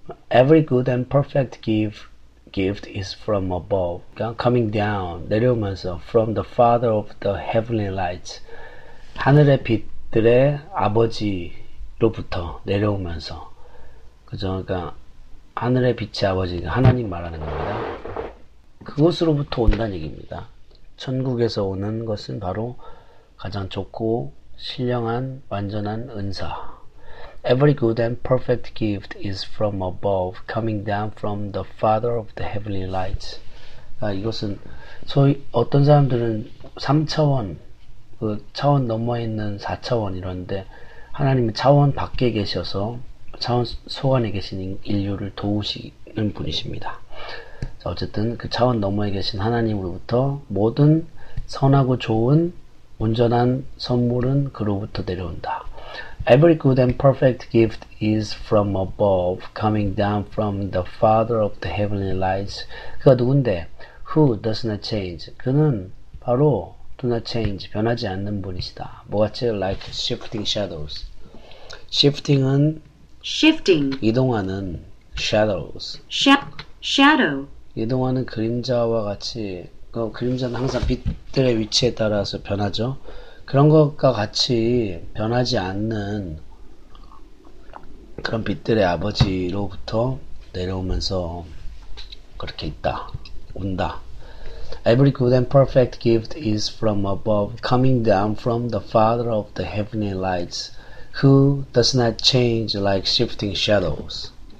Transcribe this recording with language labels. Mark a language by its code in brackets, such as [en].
[en] Every good and perfect gift is from above. coming down. [ko] 내려오면서 [en] from the father of the heavenly lights. [ko] 하늘의 빛들의 아버지 로부터 내려오면서, 그죠? 그러니까 하늘의 빛의 아버지, 하나님 말하는 겁니다. 그곳으로부터 온다는 얘기입니다. 천국에서 오는 것은 바로 가장 좋고 신령한 완전한 은사. [en] Every good and perfect gift is from above, coming down from the Father of the heavenly lights. [ko] 아, 이것은 소위 어떤 사람들은 3차원, 그 차원 넘어 있는 4차원 이런데, 하나님은 차원 밖에 계셔서 차원 속 안에 계신 인류를 도우시는 분이십니다. 어쨌든 그 차원 너머에 계신 하나님으로부터 모든 선하고 좋은 온전한 선물은 그로부터 내려온다. [en] Every good and perfect gift is from above, coming down from the Father of the heavenly lights. [ko] 그가 누군데? [en] Who does not change? [ko] 그는 바로 [en] do not change, [ko] 변하지 않는 분이시다. 뭐같이 [en] like shifting shadows. Shifting은 shifting. [ko] 이동하는 shadows. [en] Shadow. [ko] 이동하는 그림자와 같이 그림자는 항상 빛들의 위치에 따라서 변하죠. 그런 것과 같이 변하지 않는 그런 빛들의 아버지로부터 내려오면서 그렇게 있다. 온다. [en] Every good and perfect gift is from above, coming down from the Father of the heavenly lights, who does not change like shifting shadows.